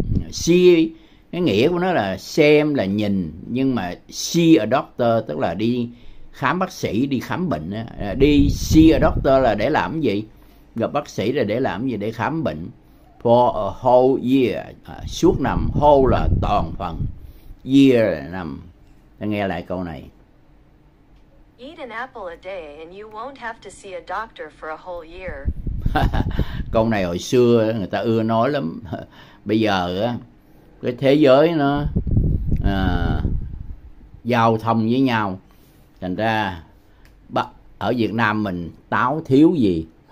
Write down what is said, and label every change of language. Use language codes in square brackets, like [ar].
[vi] See, cái nghĩa của nó là xem, là nhìn, nhưng mà [en] see a doctor [vi] tức là đi khám bác sĩ, đi khám bệnh. Đi [en] see a doctor [vi] là để làm gì? Gặp bác sĩ là để làm gì? Để khám bệnh. [en] For a whole year, [vi] suốt năm. Whole là toàn phần, year là năm. Ta nghe lại câu này. [en] Eat an apple a day and you won't have to see a doctor for a whole year. [vi] Câu này hồi xưa người ta ưa nói lắm. Bây giờ cái thế giới nó giao thông với nhau, thành ra ở Việt Nam mình táo thiếu gì.